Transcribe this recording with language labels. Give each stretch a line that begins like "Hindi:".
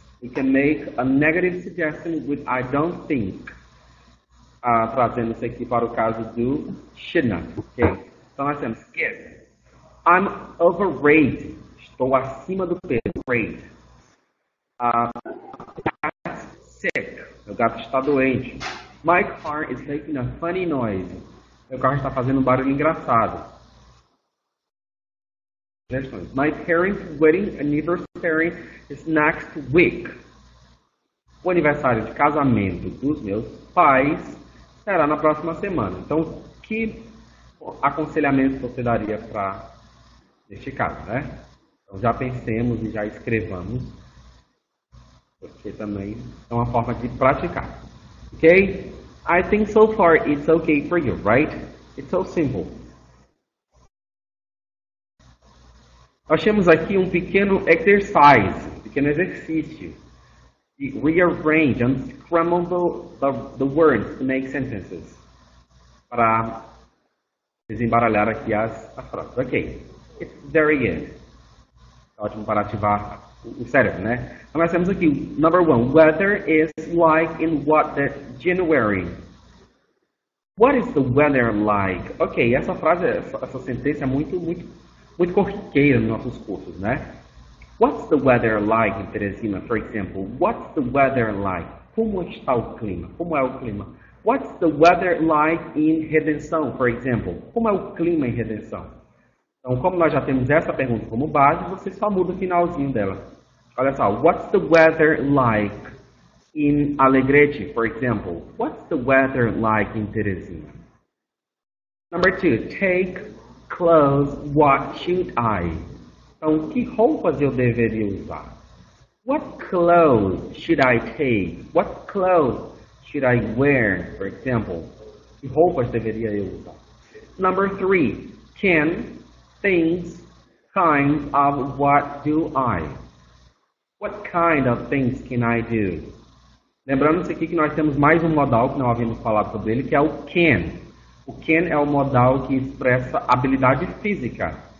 English: We can make a negative suggestion with I don't think.
Portuguese: Trazendo isso aqui para o caso do China, ok? Então nós temos
English: skip. I'm overrated.
Portuguese: Estou acima do peso. Rate.
English: That's sick.
Portuguese: Meu gato está doente.
English: My car is making a funny noise.
Portuguese: Meu carro está fazendo um barulho engraçado.
English: Next one. My parents' wedding anniversary is next week.
Portuguese: O aniversário de casamento dos meus pais será na próxima semana. Então, que aconselhamento você daria para neste caso, né? Então, já pensemos e já escrevamos, porque também é uma forma de praticar. Ok?
English: I think so far it's okay for you, right? It's so simple.
Portuguese: Nós temos aqui um pequeno exercise, pequeno exercício.
English: Rearrange, unscramble the words to make sentences.
Portuguese: Para desembaralhar aqui as frases. Ok.
English: It's very good.
Portuguese: Ótimo para ativar o cérebro, né? Então, nós temos aqui,
English: number one, weather is like in what the January. What is the weather like?
Portuguese: Ok, essa frase, essa sentença é muito corriqueira nos nossos cursos, né?
English: What's the weather like in Teresina, for example? What's the weather like?
Portuguese: Como está o clima? Como é o clima?
English: What's the weather like in Redenção, for example?
Portuguese: Como é o clima em Redenção? Então, como nós já temos essa pergunta como base, você só muda o finalzinho dela. Olha só,
English: what's the weather like in Alegrete, for example? What's the weather like in Teresina? Number two, take clothes, what should I?
Portuguese: Então, que roupas eu deveria usar?
English: What clothes should I take? What clothes should I wear, for example?
Portuguese: Que roupas deveria eu usar?
English: Number three, can, things, kinds of, what do I? What kind of things can I do?
Portuguese: Lembrando-se aqui que nós temos mais um modal que não havíamos falado sobre ele, que é o can. O can é o modal que expressa habilidade física.